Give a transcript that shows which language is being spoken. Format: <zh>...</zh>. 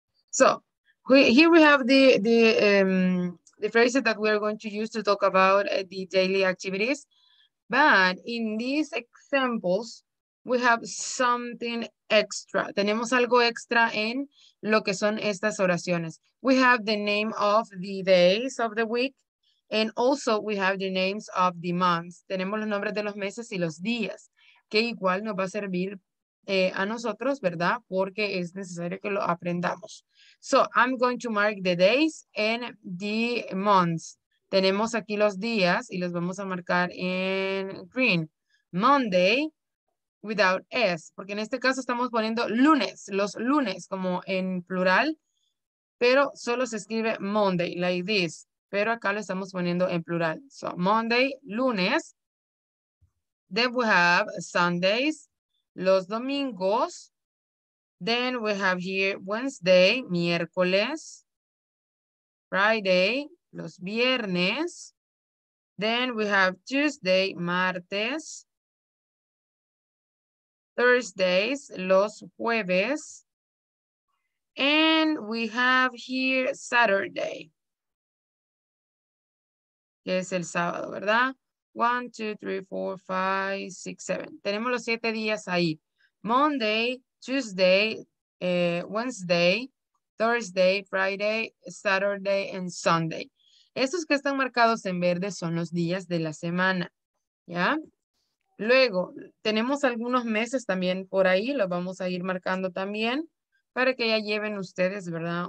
<en>So here we have the phrases that we are going to use to talk about the daily activities. But in these examples, we have something extra.</en> <es>Tenemos algo extra en lo que son estas oraciones.</es> <en>We have the name of the days of the week. And also we have the names of the months.</en> <es>Tenemos los nombres de los meses y los días, que igual nos va a servir a nosotros, ¿verdad? Porque es necesario que lo aprendamos.</es> <en>So I'm going to mark the days and the months.</en> <es>Tenemos aquí los días y los vamos a marcar en green.</es> <en>Monday without S,</en> <es>porque en este caso estamos poniendo lunes, los lunes como en plural, pero solo se escribe Monday,</es> <en>like this.</en> <es>Pero acá lo estamos poniendo en plural. So, Monday, lunes.</es> <en>Then we have Sundays,</en> <es>los domingos.</es> <en>Then we have here Wednesday, miércoles, Friday,</en> <es>los viernes.</es> <en>Then we have Tuesday, martes, Thursdays,</en> <es>los jueves.</es> <en>And we have here Saturday,</en> <es>que es el sábado, ¿verdad? 1, 2, 3, 4, 5, 6, 7. Tenemos los 7 días ahí.</es> <en>Monday, Tuesday, Wednesday, Thursday, Friday, Saturday, and Sunday.</en> <es>Estos que están marcados en verde son los días de la semana, ¿ya? Luego, tenemos algunos meses también por ahí, los vamos a ir marcando también para que ya lleven ustedes, ¿verdad?</es>